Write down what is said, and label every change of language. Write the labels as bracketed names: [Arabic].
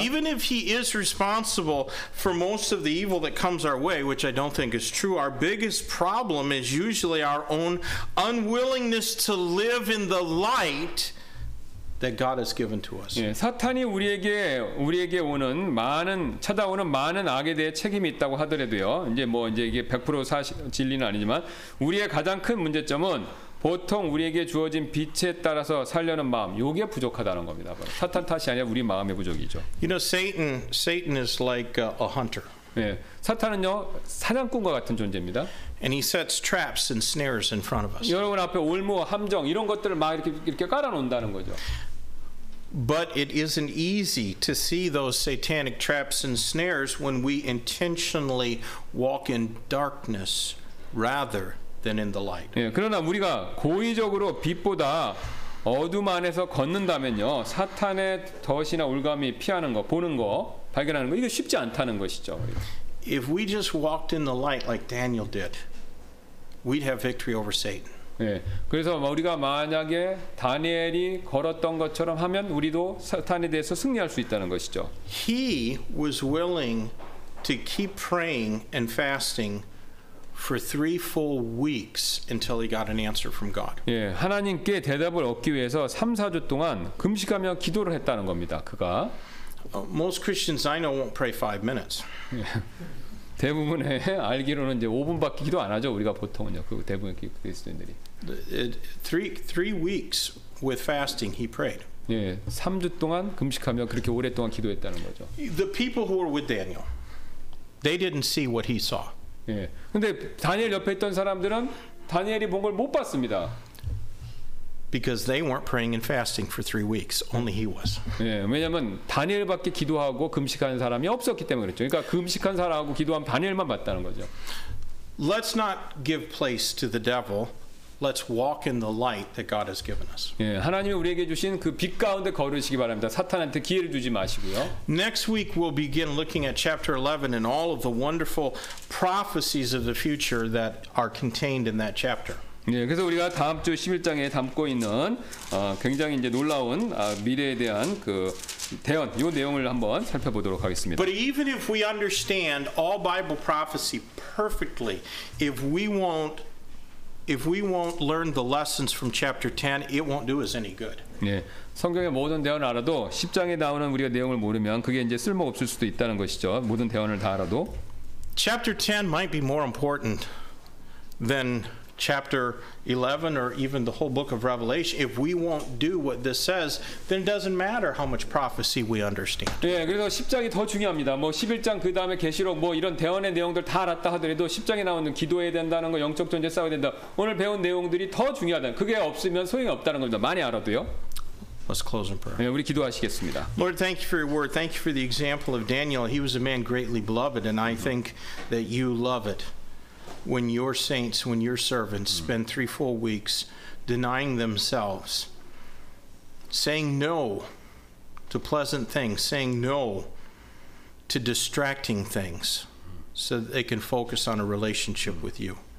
[English] Even if he is responsible for most of the evil that comes our way, which I don't think is true, our biggest problem is usually our own unwillingness to live in the light that God has given to us. [Korean] 예, 사탄이 우리에게 오는 많은 찾아오는 많은 악에 대해 책임이 있다고 하더라도요. 이제 뭐 이제 이게 100% 사실 진리는 아니지만 우리의 가장 큰 문제점은 보통 우리에게 주어진 빛에 따라서 살려는 마음. 요게 부족하다는 겁니다. 사탄 탓이 아니라 우리 마음의 부족이죠. [English] You know, Satan is like a hunter. [Korean] 예. 사탄은요. 사냥꾼과 같은 존재입니다. [English] And he sets traps and snares in front of us. [Korean] 여러분 앞에 올무, 함정 이런 것들을 막 이렇게 깔아놓는다는 거죠. [English] But it isn't easy to see those satanic traps and snares when we intentionally walk in darkness rather than in the light. [Korean] 예, 그러나 우리가 고의적으로 빛보다 어둠 안에서 걷는다면요, 사탄의 덫이나 올가미 피하는 거, 보는 거, 발견하는 거 이게 쉽지 않다는 것이죠. [English] If we just walked in the light like Daniel did, we'd have victory over Satan. [Korean] 예, 그래서 우리가 만약에 다니엘이 걸었던 것처럼 하면 우리도 사탄에 대해서 승리할 수 있다는 것이죠. [English] He was willing to keep praying and fasting for 3 full weeks until he got an answer from God. [Korean] 예, 하나님께 대답을 얻기 위해서 3-4주 동안 금식하며 기도를 했다는 겁니다. 그가 [English] Most Christians I know won't pray 5 minutes. [Korean] 대부분의 알기로는 이제 5분밖에 기도 안 하죠. 우리가 보통은요. 그 대부분 그리스도인들이. [English] Three weeks with fasting he prayed. [Korean] 예, 3주 동안 금식하며 그렇게 오랫동안 기도했다는 거죠. [English] The people who were with Daniel, they didn't see what he saw. [Korean] 예, 근데 다니엘 옆에 있던 사람들은 다니엘이 본 걸 못 봤습니다. [English] Because they weren't praying and fasting for 3 weeks. Only he was. [Korean] 예, 왜냐면 다니엘밖에 기도하고 금식하는 사람이 없었기 때문에 그렇죠. 그러니까 금식한 사람하고 기도한 다니엘만 봤다는 거죠. [English] Let's not give place to the devil. Let's walk in the light that God has given us. [Korean] 예, 하나님이 우리에게 주신 그 빛 가운데 걸으시기 바랍니다. 사탄한테 기회를 주지 마시고요. [English] Next week we'll begin looking at chapter 11 and all of the wonderful prophecies of the future that are contained in that chapter. [Korean] 예, 그래서 우리가 다음 주 11장에 담고 있는 굉장히 이제 놀라운 미래에 대한 그 대언 요 내용을 한번 살펴보도록 하겠습니다. [English] But even if we understand all Bible prophecy perfectly, if we won't learn the lessons from chapter 10, it won't do us any good. [Korean] 예, 성경의 모든 대언을 알아도 10장에 나오는 우리가 내용을 모르면 그게 이제 쓸모 없을 수도 있다는 것이죠. 모든 대언을 다 알아도 [English] chapter 10 might be more important than chapter 11 or even the whole book of Revelation. If we won't do what this says, then it doesn't matter how much prophecy we understand. [Korean] 예, 그래서 10장이 더 중요합니다. 뭐 11장 그다음에 계시록 뭐 이런 대언의 내용들 다 알았다 하더라도 10장에 나오는 기도해야 된다는 거 영적 전쟁 싸워야 된다. 오늘 배운 내용들이 더 중요하다. 그게 없으면 소용이 없다는 겁니다. 많이 알아도요. [English] Let's close in prayer. [Korean] 예, 우리 기도하시겠습니다. [English] Lord, thank you for your word. Thank you for the example of Daniel. He was a man greatly beloved, and I think that you love it when your saints, when your servants spend 3-4 weeks denying themselves, saying no to pleasant things, saying no to distracting things, so that they can focus on a relationship with you.